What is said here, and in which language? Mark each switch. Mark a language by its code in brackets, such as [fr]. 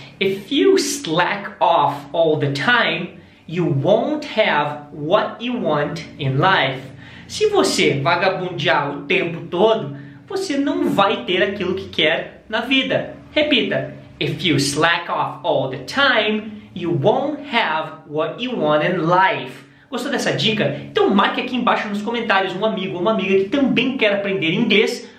[en] If you slack off all the time, you won't have what you want in life. [pt] Se você vagabundear o tempo todo, você não vai ter aquilo que quer na vida. Repita. [en] If you slack off all the time, you won't have what you want in life. [pt] Gostou dessa dica? Então marque aqui embaixo nos comentários um amigo ou uma amiga que também quer aprender inglês.